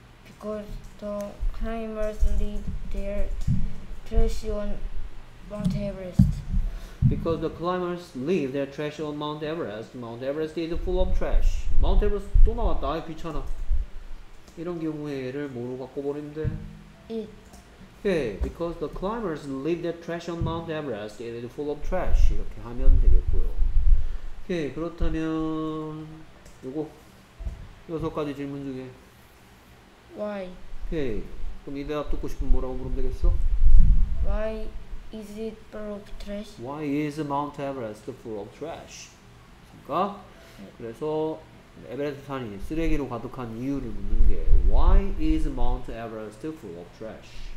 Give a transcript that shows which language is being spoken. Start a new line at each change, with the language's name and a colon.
English: Because the climbers leave their trash on Mount Everest. Because the climbers leave their trash on Mount Everest. Mount Everest is full of trash. Mount Everest
Korean: 또 나왔다. 아이 귀찮아. 이런 경우에를 뭐로 바꿔버리면 돼?
English: It. Okay. Because the climbers leave their trash on Mount Everest. It is full of trash.
Korean: 이렇게 하면 되겠고요.
English: Okay.
Korean: 그렇다면 요거 여섯 가지 질문 중에
English: Why? Okay.
Korean: 그럼 이 대답 듣고 싶으면 뭐라고 물으면 되겠어?
English: Why? Is it full of trash? Why is Mount Everest full of trash?
Korean: 그러니까 그래서 에베레스트 산이 쓰레기로 가득한 이유를 묻는 게
English: Why is Mount Everest full of trash?